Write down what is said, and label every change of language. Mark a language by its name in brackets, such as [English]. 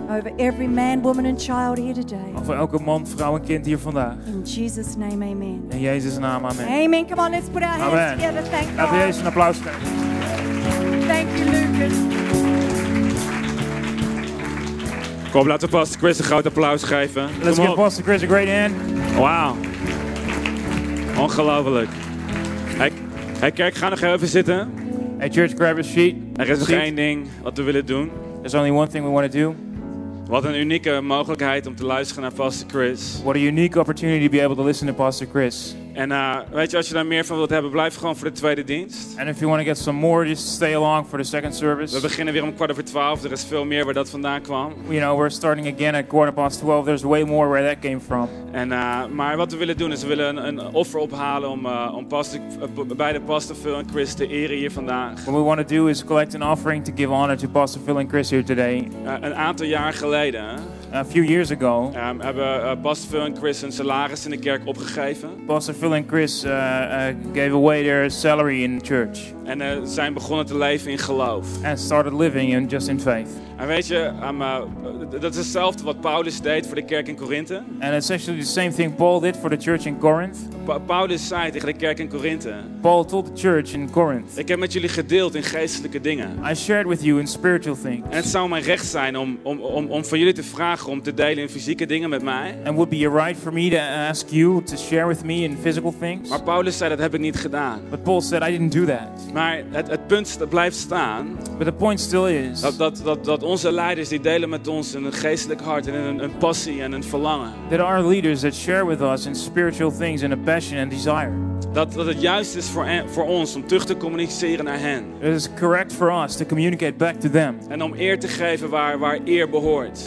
[English] Over every man, woman and child here today. [Dutch] Over elke man, vrouw en kind hier vandaag. [English] In Jesus' name, amen. [Dutch] In Jezus' naam, amen. [English] Amen. Come on, let's put our hands [Dutch] amen. [English] Together. Thank [Dutch] laten [English] God. [Dutch] Laten Jezus een applaus geven. [English] Thank you, Lucas. [Dutch] Kom, laten we Pastor Chris een groot applaus geven. [English] Let's give Pastor Chris a great hand. [Dutch] Wow. Ongelooflijk. Hey, kerk, ga nog even zitten. [English] Hey, church, grab a sheet. [Dutch] Er is nog één ding wat we willen doen. [English] There's only one thing we want to do. [Dutch] Wat een unieke mogelijkheid om te luisteren naar Pastor Chris. [English] What a unique opportunity to be able to listen to Pastor Chris. [Dutch] En weet je, als je daar meer van wilt hebben, blijf gewoon voor de tweede dienst. [English] And if you want to get some more, just stay along for the second service. [Dutch] We beginnen weer om 11:45. Er is veel meer waar dat vandaan kwam. [English] You know, we're starting again at 11:15. There's way more where that came from. [Dutch] En maar wat we willen doen is we willen een offer ophalen om beide Pastor Phil en Chris te eren hier vandaag. [English] What we want to do is collect an offering to give honor to Pastor Phil and Chris here today. [Dutch] Een aantal jaar geleden. [English] A few years ago, [Dutch] hebben Pastor Phil en Chris hun salaris in de kerk opgegeven. [English] Pastor Phil and Chris gave away their salary in church. [Dutch] En zijn begonnen te leven in geloof. [English] And started living in just in faith. [Dutch] En weet je, dat is hetzelfde wat Paulus deed voor de kerk in Korinthe. [English] And essentially the same thing Paul did for the church in Corinth. [Dutch] Paulus zei tegen de kerk in Korinthe. [English] Paul told the church in Corinth. [Dutch] Ik heb met jullie gedeeld in geestelijke dingen. [English] I shared with you in spiritual things. [Dutch] En het zou mijn recht zijn om van jullie te vragen om te delen in fysieke dingen met mij. [English] And would be a right for me to ask you to share with me in physical things. [Dutch] Maar Paulus zei dat heb ik niet gedaan. [English] But Paul said I didn't do that. [Dutch] Maar het punt blijft staan. [English] But the point still is. [Dutch] Dat onze leiders die delen met ons een geestelijk hart en een passie en een verlangen. [English] That our leaders that share with us in spiritual things and a passion and desire. [Dutch] Dat het juist is voor ons om terug te communiceren naar hen. [English] It is correct for us to communicate back to them. [Dutch] En om eer te geven waar eer behoort.